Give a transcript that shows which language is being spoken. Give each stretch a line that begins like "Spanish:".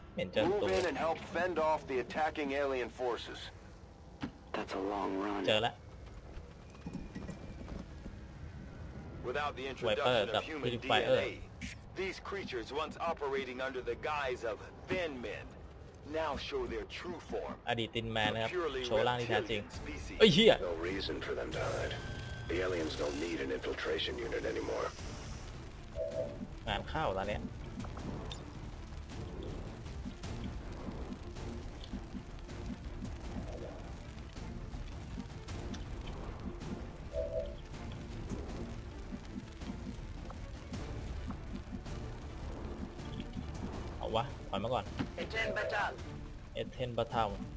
English: Move in and help fend off the attacking alien forces. That's a long run.
Thai: เจอแล้ว
English: Without the introduction of human DNA, these creatures once operating under the guise of thin men now show their true form.
Thai: อดีตินแมนนะครับโชว์ร่างที่แท้จริงไอ้เหี้ย
English: No reason for them to hide. The aliens don't need an infiltration unit anymore.
Thai: งานเข้าแล้วเนี่ยไปมาก่อน Eten Batal